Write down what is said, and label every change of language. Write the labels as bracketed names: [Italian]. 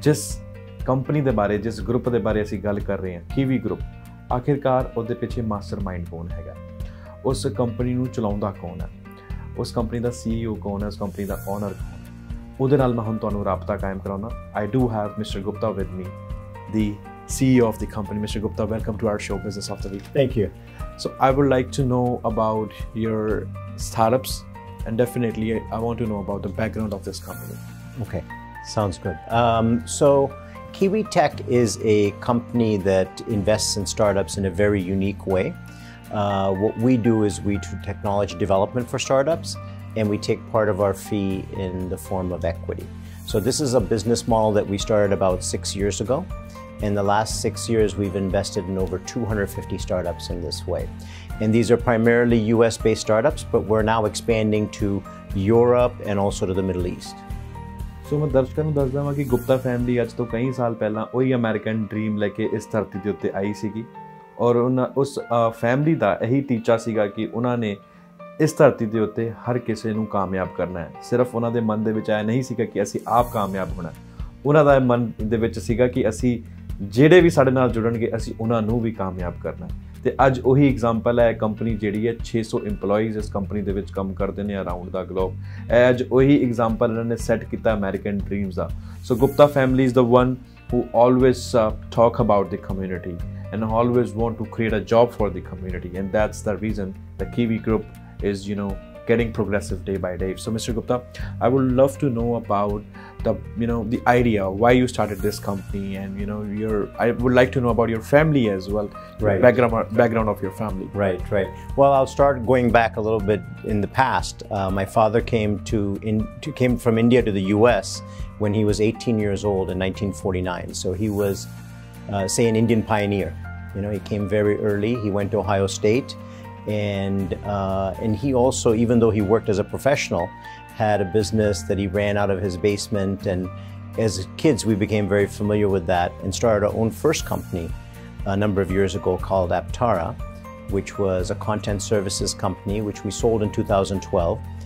[Punjabi] ਜਿਸ ਕੰਪਨੀ ਦੇ ਬਾਰੇ, ਜਿਸ ਗਰੁੱਪ ਦੇ ਬਾਰੇ ਅਸੀਂ ਗੱਲ ਕਰ ਰਹੇ ਹਾਂ, ਕੀਵੀ ਗਰੁੱਪ, ਆਖਿਰਕਾਰ ਉਹਦੇ ਪਿੱਛੇ ਮਾਸਟਰ ਮਾਈਂਡ ਕੌਣ ਹੈਗਾ, ਉਸ ਕੰਪਨੀ ਨੂੰ ਚਲਾਉਂਦਾ ਕੌਣ ਹੈ, ਉਸ ਕੰਪਨੀ ਦਾ CEO ਕੌਣ ਹੈ, ਉਸ ਕੰਪਨੀ ਦਾ ਓਨਰ ਕੌਣ, ਉਹਦੇ ਨਾਲ ਮੈਂ ਹੁਣ ਤੁਹਾਨੂੰ ਰਾਬਤਾ ਕਾਇਮ ਕਰਾਉਂਦਾ। [English] I do have mister Gupta with me, the CEO of the company. Mister Gupta, welcome to our show business of the week. Thank you. So I would like to know about your startups, and definitely I want to know about the background of this company. Okay, sounds good. So Kiwi Tech is a company that invests in startups in a very unique way. What we do is we do technology development for startups, and we take part of our fee in the form of equity. So this is a business model that we started about 6 years ago. In the last 6 years, we've invested in over 250 startups in this way. And these are primarily US-based startups, but we're now expanding to Europe and also to the Middle East. [Punjabi] ਸੋ ਮੈਂ ਦਰਸ਼ਕਾਂ ਨੂੰ ਦੱਸ ਦੇਵਾਂ ਕਿ Gupta family ਅੱਜ ਤੋਂ ਕਈ ਸਾਲ ਪਹਿਲਾਂ ਉਹੀ ਅਮੈਰੀਕਨ ਡਰੀਮ ਲੈ ਕੇ ਇਸ ਧਰਤੀ ਦੇ ਉੱਤੇ ਆਈ ਸੀਗੀ, ਔਰ ਉਹਨਾਂ ਉਸ ਫੈਮਲੀ ਦਾ ਇਹੀ ਟੀਚਾ ਸੀਗਾ ਕਿ ਉਹਨਾਂ ਨੇ ਇਸ ਧਰਤੀ ਦੇ ਉੱਤੇ ਹਰ ਕਿਸੇ ਨੂੰ ਕਾਮਯਾਬ ਕਰਨਾ ਹੈ। ਸਿਰਫ ਉਹਨਾਂ ਦੇ ਮਨ ਦੇ ਵਿੱਚ ਆਇਆ ਨਹੀਂ ਸੀਗਾ ਕਿ ਅਸੀਂ ਆਪ ਕਾਮਯਾਬ ਹੋਣਾ, ਉਹਨਾਂ ਦਾ ਮਨ ਦੇ ਵਿੱਚ ਸੀਗਾ ਕਿ ਅਸੀਂ ਜਿਹੜੇ ਵੀ ਸਾਡੇ ਨਾਲ ਜੁੜਨਗੇ ਅਸੀਂ ਉਹਨਾਂ ਨੂੰ ਵੀ ਕਾਮਯਾਬ ਕਰਨਾ। ਅਤੇ ਅੱਜ ਉਹੀ ਇਗਜ਼ਾਮਪਲ ਹੈ, ਕੰਪਨੀ ਜਿਹੜੀ ਹੈ 600 ਇੰਪਲੋਈਜ਼ ਇਸ ਕੰਪਨੀ ਦੇ ਵਿੱਚ ਕੰਮ ਕਰਦੇ ਨੇ [English] Around the globe. [Punjabi] ਇਹ ਅੱਜ ਉਹੀ ਇਗਜ਼ਾਮਪਲ ਇਹਨਾਂ ਨੇ ਸੈੱਟ ਕੀਤਾ American dreams ਦਾ। [English] So Gupta family is the one who always talk about the community and always want to create a job for the community, and that's the reason the Kiwi group is you know getting progressive day by day. So mister Gupta, I would love to know about the you know the idea why you started this company, and you know your I would like to know about your family as well, background of your family. Right right, well I'll start going back a little bit in the past. My father came from India to the US when he was 18 years old in 1949, so he was say an Indian pioneer, you know he came very early, he went to Ohio state, and he also, even though he worked as a professional, had a business that he ran out of his basement, and as kids we became very familiar with that and started our own first company a number of years ago called Aptara, which was a content services company which we sold in 2012.